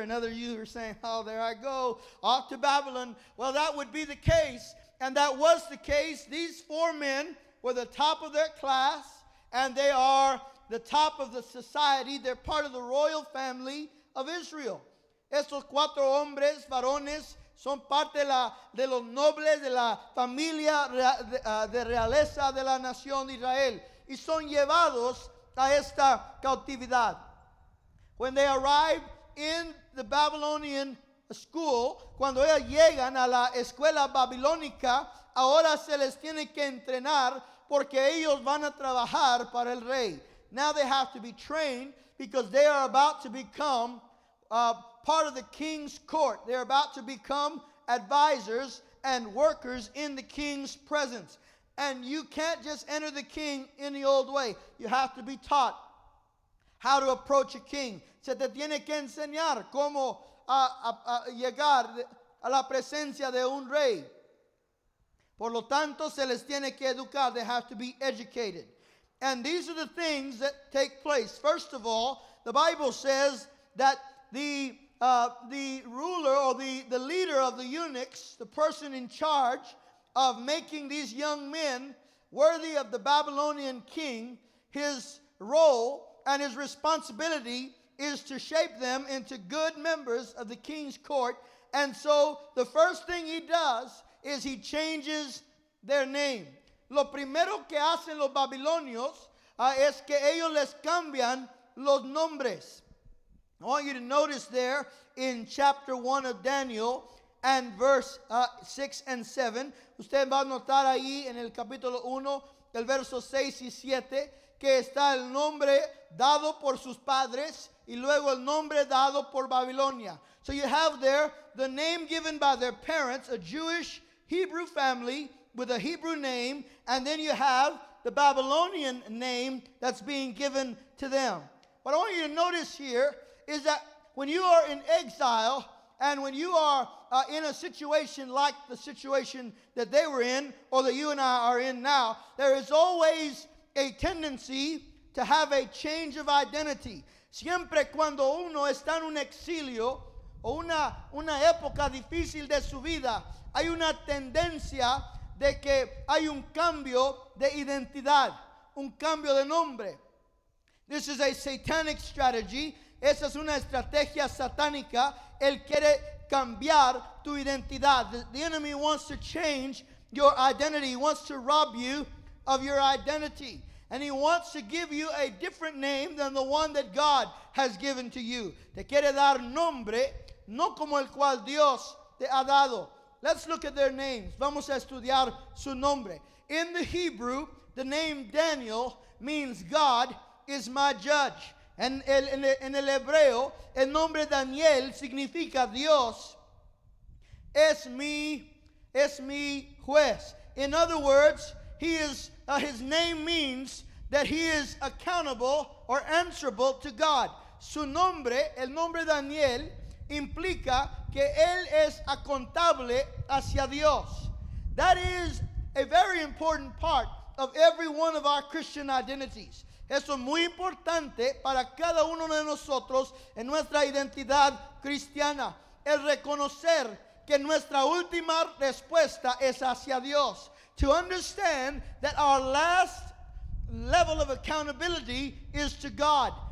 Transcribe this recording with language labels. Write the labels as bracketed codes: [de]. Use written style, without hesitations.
[en] And other of you are saying, oh, there I go, off to Babylon. Well, that would be the case. And that was the case. These four men were the top of their class, and they are the top of the society. They're part of the royal family of Israel. [es] Estos cuatro hombres, varones, son parte de los nobles de la familia de realeza de la nación de Israel. Y son llevados a esta cautividad. [en] When they arrive in the Babylonian school, [es] cuando ellas llegan a la escuela babilónica, ahora se les tiene que entrenar porque ellos van a trabajar para el rey. [en] Now they have to be trained because they are about to become part of the king's court. They're about to become advisors and workers in the king's presence. And you can't just enter the king any old way. You have to be taught how to approach a king. [es] Se te tiene que enseñar cómo llegar a la presencia de un rey. Por lo tanto, se les tiene que educar. [en] They have to be educated. And these are the things that take place. First of all, the Bible says that the ruler, or the leader of the eunuchs, the person in charge of making these young men worthy of the Babylonian king, his role and his responsibility is to shape them into good members of the king's court. And so the first thing he does is he changes their name. [es] Lo primero que hacen los babilonios es que ellos les cambian los nombres. [en] I want you to notice there in chapter 1 of Daniel and verse 6 and 7. [es] Usted va a notar ahí en el capítulo 1, el verso 6 y 7, que está el nombre dado por sus padres y luego el nombre dado por Babilonia. [en] So you have there the name given by their parents, a Jewish Hebrew family with a Hebrew name, and then you have the Babylonian name that's being given to them. What I want you to notice here is that when you are in exile and when you are in a situation like the situation that they were in, or that you and I are in now, there is always a tendency to have a change of identity. [es] Siempre cuando uno está en un exilio o una época difícil de su vida, hay una tendencia de que hay un cambio de identidad. un cambio de nombre. [en] This is a satanic strategy. [es] Esa es una estrategia satánica. Él quiere cambiar tu identidad. [en] The enemy wants to change your identity. He wants to rob you of your identity. And he wants to give you a different name than the one that God has given to you. [es] Te quiere dar nombre, no como el cual Dios te ha dado. [en] Let's look at their names. [es] Vamos a estudiar su nombre. [en] In the Hebrew, the name Daniel means God is my judge. [es] And en el hebreo, el nombre Daniel significa Dios es mi juez. [en] In other words, he is his name means that he is accountable or answerable to God. [es] Su nombre, el nombre Daniel, implica que él es accountable hacia Dios. [en] That is a very important part of every one of our Christian identities. [es] Eso es muy importante para cada uno de nosotros en nuestra identidad cristiana. El reconocer que nuestra última respuesta es hacia Dios. [en] To understand that our last level of accountability is to God.